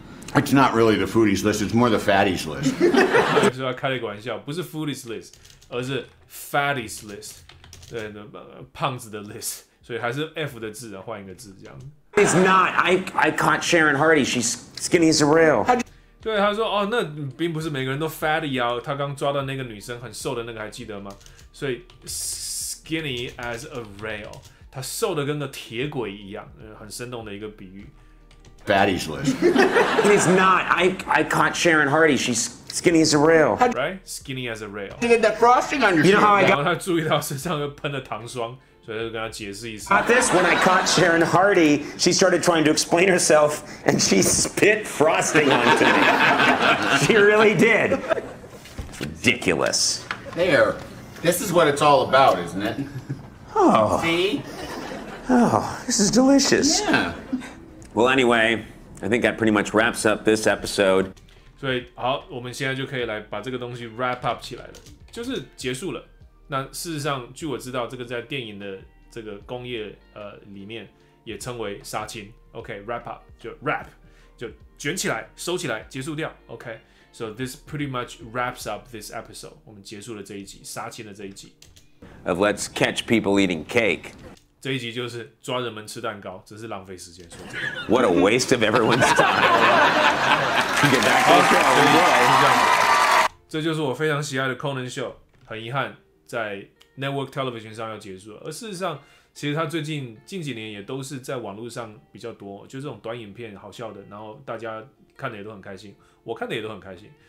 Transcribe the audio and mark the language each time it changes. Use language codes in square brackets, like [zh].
[en] Yeah, it's not really the foodies list， it's more the fatties list。 [zh] 就是要开了一个玩笑，不是 [en] foodies list， [zh] 而是 [en] fatties list， [zh] 对，那胖子的 list， 所以还是 F 的字，换一个字这样。 [en] It's not， I caught Sharon Hardy， she's skinny as a rail。 [zh] 对，他说哦，那并不是每个人都 fatty 啊。他刚抓到那个女生很瘦的那个，还记得吗？所以 [en] skinny as a rail， [zh] 他瘦的跟个铁轨一样，很生动的一个比喻。 [en] Fatties list. It is not. I caught Sharon Hardy. She's skinny as a rail. Right? Skinny as a rail. She did that frosting on your shirt. You know how I got? [zh] 然后他注意到身上又喷了糖霜，所以他就跟他解释一下。 [en] Got this? When I caught Sharon Hardy, she started trying to explain herself, and she spit frosting onto me. She really did. It's ridiculous. There. This is what it's all about, isn't it? Oh. See? Oh, this is delicious. Yeah. Well, anyway, I think that pretty much wraps up this episode. [zh] 所以好，我们现在就可以来把这个东西 [en] wrap up [zh] 起来了，就是结束了。那事实上，据我知道，这个在电影的这个工业里面也称为杀青。 OK, [en] wrap up [zh] 就 wrap 就卷起来、收起来、结束掉。 [en] OK, so this pretty much wraps up this episode. [zh] 我们结束了这一集杀青的这一集。 [en] Of let's catch people eating cake. [zh] 这一集就是抓人们吃蛋糕，真是浪费时间。 [en] What a waste of everyone's time. Get back to the show. [zh] 是这样，这就是我非常喜爱的 Conan Show。很遗憾，在 Network Television 上要结束了。而事实上，其实他最近近几年也都是在网络上比较多，就这种短影片好笑的，然后大家看的也都很开心，我看的也都很开心。